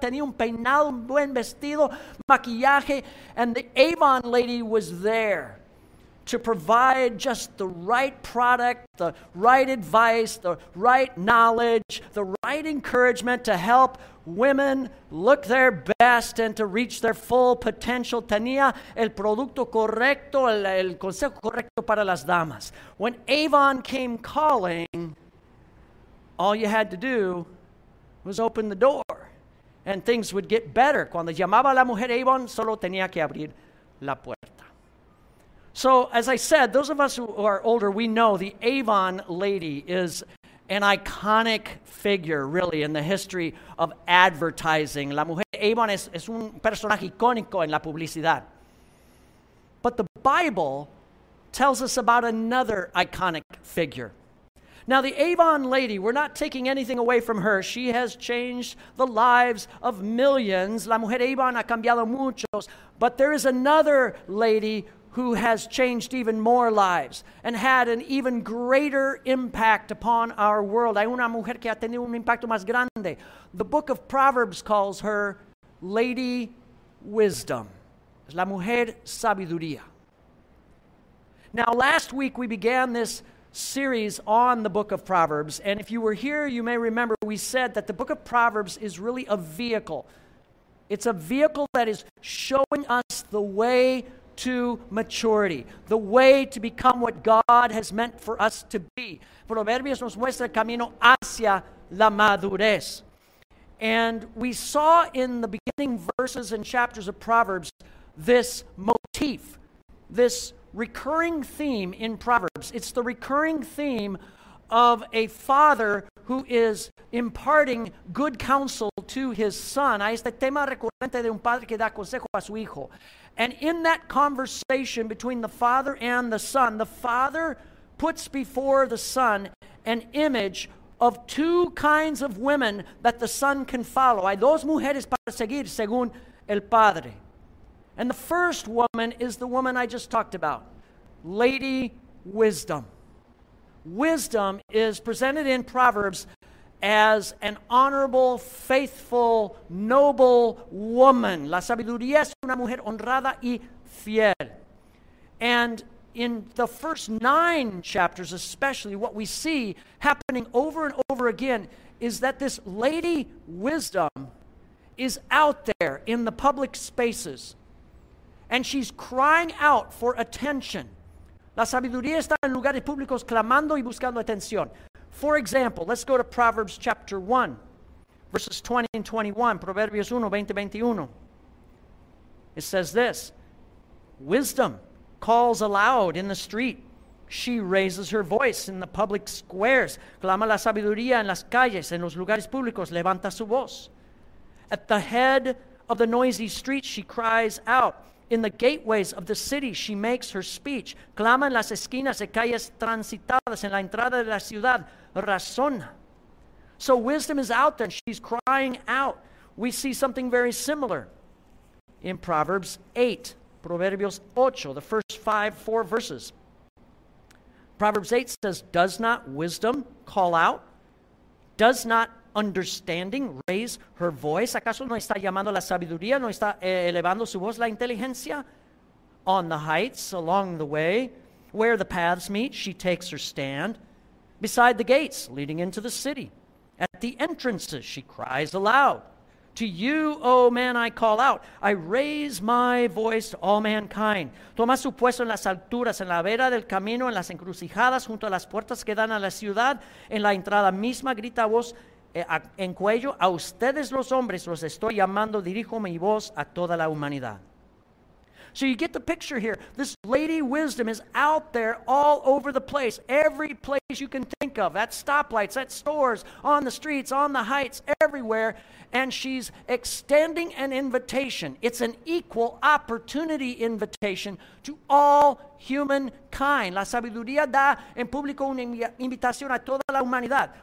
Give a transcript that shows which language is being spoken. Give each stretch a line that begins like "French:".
Spanish: Tenía un peinado, un buen vestido, maquillaje,
English: and the Avon lady was there to provide just the right product, the right advice, the right knowledge, the right encouragement to help women look their best and to reach their full potential.
Spanish: Tenía el producto correcto, el consejo correcto para las damas.
English: When Avon came calling, all you had to do was open the door and things would get better.
Spanish: Cuando llamaba la mujer Avon, solo tenía que abrir la puerta.
English: So, as I said, those of us who are older, we know the Avon lady is an iconic figure, really, in the history of advertising.
Spanish: La mujer Avon es un personaje icónico en la publicidad.
English: But the Bible tells us about another iconic figure. Now, the Avon lady, we're not taking anything away from her. She has changed the lives of millions.
Spanish: La mujer Avon ha cambiado muchos.
English: But there is another lady who has changed even more lives and had an even greater impact upon our world.
Spanish: Hay una mujer que ha tenido un impacto más grande.
English: The book of Proverbs calls her Lady Wisdom.
Spanish: Es la mujer sabiduría.
English: Now, last week we began this series on the book of Proverbs, and if you were here, you may remember we said that the book of Proverbs is really a vehicle. It's a vehicle that is showing us the way to maturity, the way to become what God has meant for us to be.
Spanish: Proverbios nos muestra el camino hacia la madurez.
English: And we saw in the beginning verses and chapters of Proverbs this motif, this recurring theme in Proverbs. It's the recurring theme of a father who is imparting good counsel to his son.
Spanish: Hay este tema recurrente de un padre que da consejo a su hijo.
English: And in that conversation between the father and the father puts before the son an image of two kinds of women that the son can follow.
Spanish: Hay dos mujeres para seguir, según el padre.
English: And the first woman is the woman I just talked about, Lady Wisdom. Wisdom is presented in Proverbs as an honorable, faithful, noble woman.
Spanish: La sabiduría es una mujer honrada y fiel.
English: And in the first 9 chapters especially, what we see happening over and over again is that this Lady Wisdom is out there in the public spaces, and she's crying out for attention.
Spanish: La sabiduría está en lugares públicos clamando y buscando atención.
English: For example, let's go to Proverbs chapter 1, verses 20 and 21. Proverbios 1, 20, 21. It says this: Wisdom calls aloud in the street. She raises her voice in the public squares.
Spanish: Clama la sabiduría en las calles, en los lugares públicos. Levanta su voz.
English: At the head of the noisy streets, she cries out. In the gateways of the city, she makes her speech.
Spanish: Clama en las esquinas de calles transitadas, en la entrada de la ciudad. Razona.
English: So wisdom is out there, and she's crying out. We see something very similar in Proverbs 8, Proverbios 8, the first 4 verses. Proverbs 8 says, does not wisdom call out? Does not understanding raise her voice?
Spanish: ¿Acaso no está llamando la sabiduría? ¿No está elevando su voz la inteligencia?
English: On the heights, along the way, where the paths meet, she takes her stand. Beside the gates leading into the city. At the entrances, she cries aloud. To you, O man, I call out. I raise my voice to all mankind.
Spanish: Toma su puesto en las alturas, en la vera del camino, en las encrucijadas, junto a las puertas que dan a la ciudad, en la entrada misma, grita voz en cuello. A ustedes los hombres los estoy llamando, dirijo mi voz a toda la humanidad.
English: So you get the picture here. This lady wisdom is out there all over the place. Every place you can think of. At stoplights, at stores, on the streets, on the heights, everywhere. And she's extending an invitation. It's an equal opportunity invitation to all humankind.
Spanish: La sabiduría da en público una invitación a toda la humanidad.